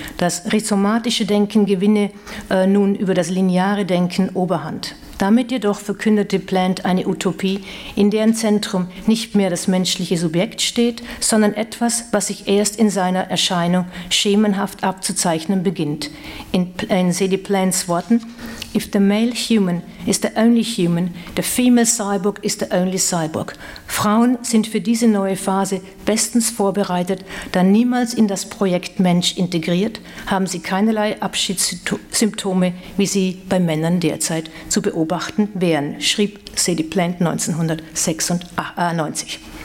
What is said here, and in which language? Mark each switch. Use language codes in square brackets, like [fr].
[de] Das rhizomatische Denken gewinne nun über das lineare Denken Oberhand. Damit jedoch verkündete Plant eine Utopie, in deren Zentrum nicht mehr das menschliche Subjekt steht, sondern etwas, was sich erst in seiner Erscheinung schemenhaft abzuzeichnen beginnt. In Sadie Plants Worten: [en] If the male human is the only human, the female cyborg is the only cyborg. [de] Frauen sind für diese neue Phase bestens vorbereitet, da niemals in das Projekt Mensch integriert, haben sie keinerlei Abschiedssymptome, wie sie bei Männern derzeit zu beobachten wären, schrieb Sadie Plant 1996.